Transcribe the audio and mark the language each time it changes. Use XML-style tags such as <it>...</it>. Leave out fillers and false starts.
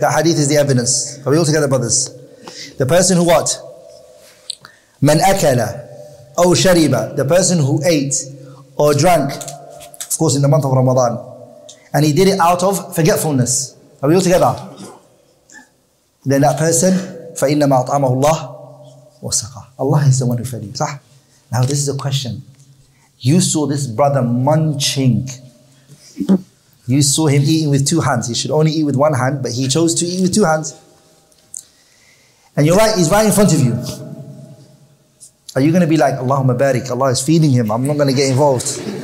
<en>That hadith is the evidence. Are we all together, brothers? The person who what? Man akala aw shariba. The person who ate or drank, of course, in the month of Ramadan, and he did it out of forgetfulness. Are we all together? Then that person,</en> <ar>فَإِنَّمَا أَطْعَمَهُ اللَّهُ وَسَقَى.</ar> <en>Allah is the one who fed him. صح? Now this is a question. You saw this brother munching. You saw him eating with two hands. He should only eat with one hand, but he chose to eat with two hands. And you're right, he's right in front of you. Are you going to be like, Allahumma barik, Allah is feeding him, I'm not going to get involved.</en>